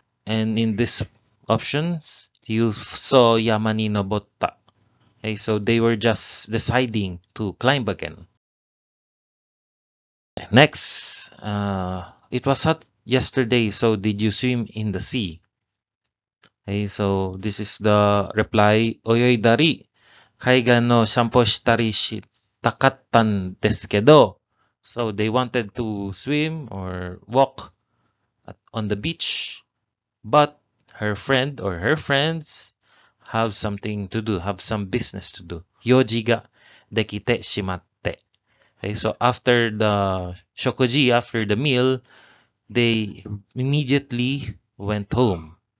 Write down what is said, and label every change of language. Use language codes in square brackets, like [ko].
[en] And in this options, you saw [ja] yama ni nobotta. [en] Okay, so they were just deciding to climb again. Next, it was hot yesterday, so did you swim in the sea? Okay, so this is the reply. [ja] Oyoidari. 海岸の散歩したりしたかったんですけど。 [en] So they wanted to swim or walk on the beach. But her friend or her friends have something to do, have some business to do. [ja] 用事ができてしまって。 [en] Okay, so after the 食事, after the meal, they immediately went home.